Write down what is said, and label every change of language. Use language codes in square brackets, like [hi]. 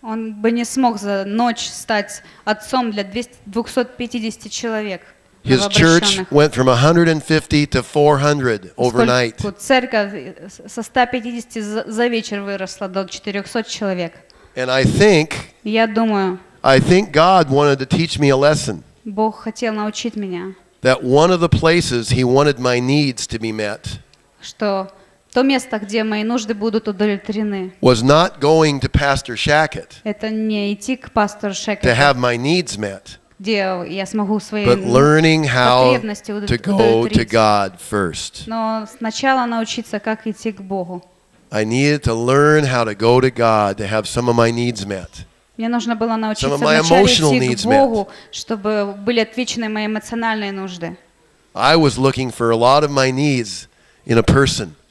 [ru] Он бы не смог за ночь стать отцом для 250 человек. [en] His church went from 150 to 400 overnight. [ru] Церковь со 150 за вечер выросла до 400 человек. [en] And I think. [ru] Я думаю. [en] I think God wanted to teach me a lesson. [ru] Бог хотел научить меня. [en] That one of the places He wanted my needs to be met. [ru] Что то место, где мои нужды будут удовлетворены. [en] Was not going to Pastor Shackett. [ru] Это не идти к пастору Шекету. [en] To have my needs met. [ru] Где я смогу свои [en] But learning how to go to God first. [ru] Но сначала научиться, как идти к Богу. [en] I needed to learn how to go to God to have some of my needs met. [ru] Мне нужно было научиться вначале идти к Богу, чтобы были отвечены мои эмоциональные нужды. [en] I was looking for a lot of my needs in a person.